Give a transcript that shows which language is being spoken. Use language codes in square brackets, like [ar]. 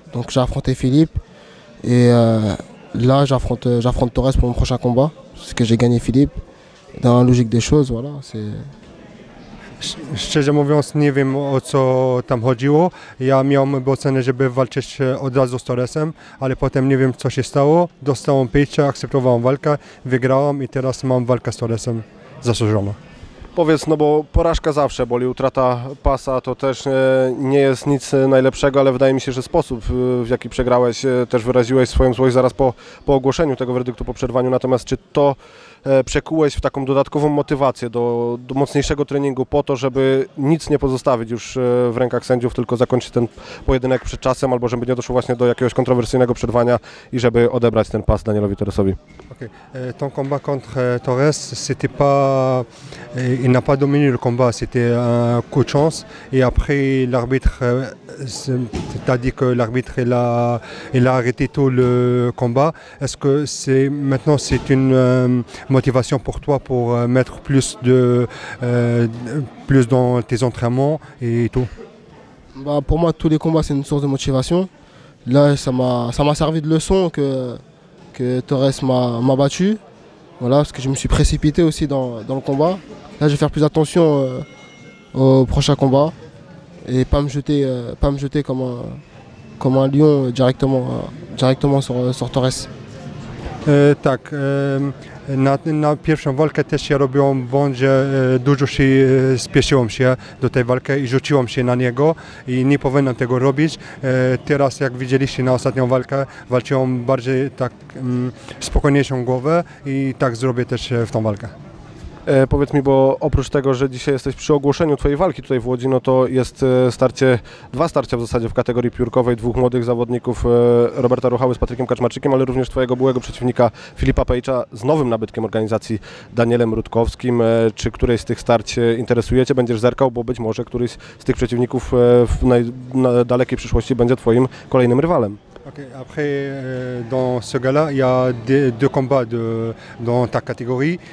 [fr] Donc j'ai affronté Philippe et là, j'affronte Torres pour mon prochain combat, parce que j'ai gagné Philippe. Dans la logique des choses, voilà, c'est... [pl] Szczerze mówiąc, nie wiem, o co tam chodziło. Ja miałem ocenę, żeby walczyć od razu z Torresem, ale potem nie wiem, co się stało. Dostałem pitcha, akceptowałem walkę, wygrałem i teraz mam walkę z Torresem zasłużoną. Powiedz, no bo porażka zawsze boli, utrata pasa to też nie jest nic najlepszego, ale wydaje mi się, że sposób, w jaki przegrałeś, też wyraziłeś swoją złość zaraz po ogłoszeniu tego werdyktu, po przerwaniu. Natomiast czy to przekułeś w taką dodatkową motywację do mocniejszego treningu po to, żeby nic nie pozostawić już w rękach sędziów, tylko zakończyć ten pojedynek przed czasem, albo żeby nie doszło właśnie do jakiegoś kontrowersyjnego przerwania i żeby odebrać ten pas Danielowi Torresowi? [fr] Okay. Ton combat contre Torres, c'était pas, il n'a pas dominé le combat, c'était un coup de chance. Et après, l'arbitre, c'est-à-dire que l'arbitre, il a arrêté tout le combat. Est-ce que c'est maintenant une motivation pour toi pour mettre plus dans tes entraînements et tout? Bah, pour moi, tous les combats, c'est une source de motivation. Là, ça m'a servi de leçon que Torres m'a battu Voilà, parce que je me suis précipité aussi dans le combat. Là, je vais faire plus attention au prochain combat et pas me jeter comme un lion directement sur Torres. [pl] Tak, na pierwszą walkę też ja robiłem błąd, że dużo się spieszyłem się do tej walki i rzuciłem się na niego i nie powinienem tego robić. Teraz jak widzieliście na ostatnią walkę, walczyłem bardziej tak spokojniejszą głowę i tak zrobię też w tą walkę. Powiedz mi, bo oprócz tego, że dzisiaj jesteś przy ogłoszeniu twojej walki tutaj w Łodzi, no to jest dwa starcia w zasadzie w kategorii piórkowej dwóch młodych zawodników, Roberta Ruchały z Patrykiem Kaczmarczykiem, ale również twojego byłego przeciwnika Filipa Pejcza z nowym nabytkiem organizacji Danielem Rutkowskim. Czy któreś z tych starć interesuje cię? Będziesz zerkał, bo być może któryś z tych przeciwników w dalekiej przyszłości będzie twoim kolejnym rywalem. [fr] Ok, après dans ce gala, il y a deux combats dans ta catégorie.